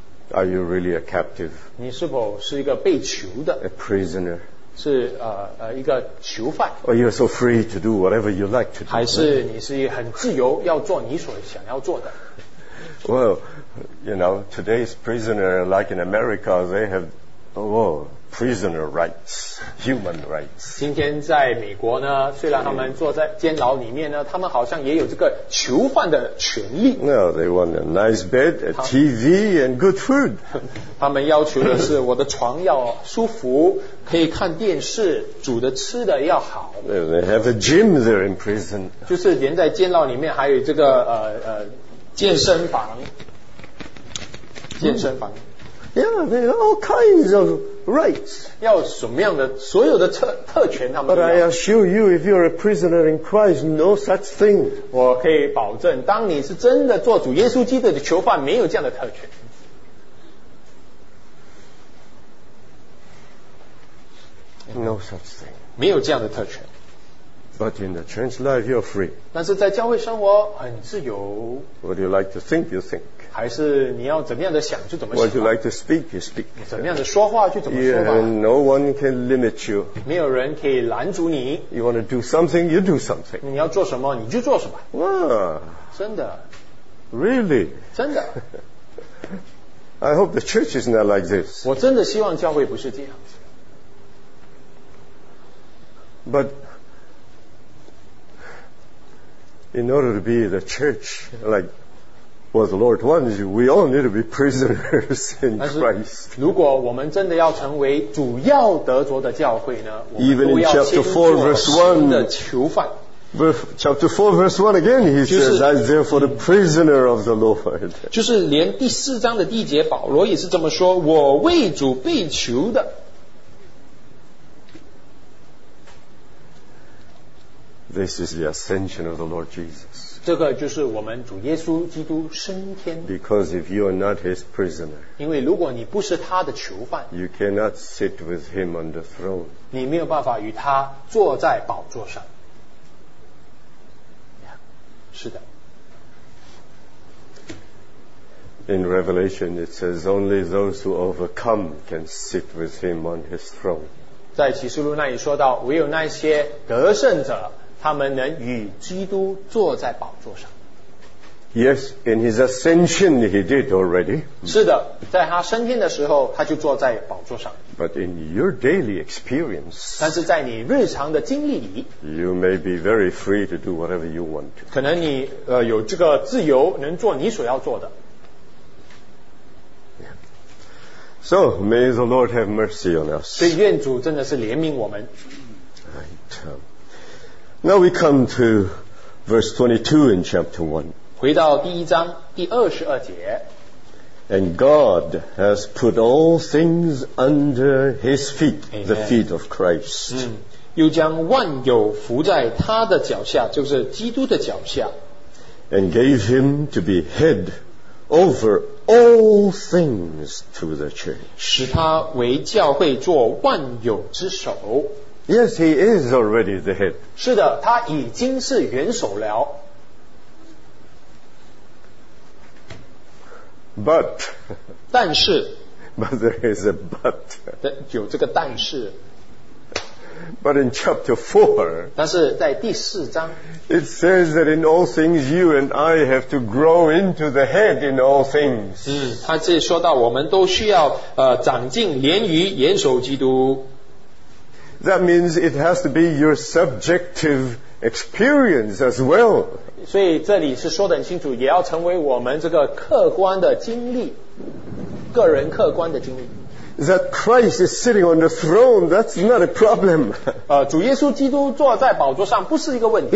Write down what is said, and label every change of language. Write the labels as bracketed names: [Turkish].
[English] Are you really a captive? [Chinese] 你是否是一个被囚的 [English] ？A prisoner. [Chinese] 是一个囚犯。 [English] Or you're so free to do whatever you like to do. [Chinese] 还是你是很自由，要做你所想要做的 [English] ？Well, you know, today's prisoner, like in America, they have, prisoner rights, human rights. [Chinese] 今天在美国呢，虽然他们坐在监牢里面呢，他们好像也有这个囚犯的权利。 [English] No, they want a nice bed, a TV, and good food. [Chinese] 他们要求的是我的床要舒服，可以看电视，煮的吃的要好。 [English] They have a gym there in prison. [Chinese] 就是连在监牢里面还有这个健身房，健身房。 [English] Yeah, they have all kinds of rights. [Chinese] 要什么样的所有的特权他们。 [English] But I assure you, if you're a prisoner in Christ, no such thing. [Chinese] 我可以保证，当你是真的做主耶稣基督的囚犯，没有这样的特权。 [English] No such thing. [Chinese] 没有这样的特权。 [English] But in the church life, you're free. [Chinese] 但是在教会生活很自由。 [English] What do you like to think? You think. [Chinese] 还是你要怎么样的想就怎么想。 [English] What you like to speak, you speak. [Chinese] 怎么样的说话就怎么说吧。 [English] Yeah, no one can limit you. [Chinese] 没有人可以拦阻你。 [English] You want to do something, you do something. [Chinese] 你要做什么，你就做什么。 [English] Wow. [Chinese] 真的。 [English] Really? [Chinese] 真的。 [English] I hope the church is not like this. [Chinese] 我真的希望教会不是这样子。 [English] But... In order to be the church, like what the Lord wants, we all need to be prisoners in Christ. [Chinese] 如果我们真的要成为主要得着的教会呢，我们都要先做神的囚犯。 [English] Chapter 4 verse 1 again, he says, I therefore the prisoner of the Lord. [Chinese] 就是连第四章的第一节，保罗也是这么说，我为主被囚的。 [English] This is the ascension of the Lord Jesus. [Chinese] 这个就是我们主耶稣基督升天。 [English] Because if you are not his prisoner, [Chinese] 因为如果你不是他的囚犯， [English] you cannot sit with him on the throne. [Chinese] 你没有办法与他坐在宝座上。是的。 [English] In Revelation, it says only those who overcome can sit with him on his throne. [Chinese] 在启示录那里说到，唯有那些得胜者。他们能与基督坐在宝座上。 [English] Yes, in his ascension, he did already. [Chinese] 是的，在他升天的时候，他就坐在宝座上。 [English] But in your daily experience, [Chinese] 但是在你日常的经历里， [English] you may be very free to do whatever you want. [Chinese] 可能你有这个自由，能做你所要做的。 [English] So may the Lord have mercy on us. [Chinese] 所以愿主真的是怜悯我们。 [English] Right. Now we come to verse 22 in chapter 1. [Chinese] 回到第一章第二十二节。 [English] And God has put all things under his feet,、 Amen. the feet of Christ.、 [Chinese] 又将万有伏在他的脚下，就是基督的脚下。 [English] And gave him to be head over all things to the church. [Chinese] 使他为教会做万有之首。 [English] Yes, he is already the head. [Chinese] 是的，他已经是元首了。 [English] But. [Chinese] 但是。 [English] But there is a but. [Chinese] 有这个但是。 [English] But in chapter 4. [Chinese] 但是在第四章。 [English] It says that in all things you and I have to grow into the head in all things. [Chinese] 他这说到我们都需要长进，连于元首基督。 [English] That means it has to be your subjective experience as well. [Chinese] 所以这里是说得很清楚，也要成为我们这个客观的经历，个人客观的经历。 [English] That Christ is sitting on the throne, that's not a problem. [Chinese] 主耶稣基督坐在宝座上不是一个问题。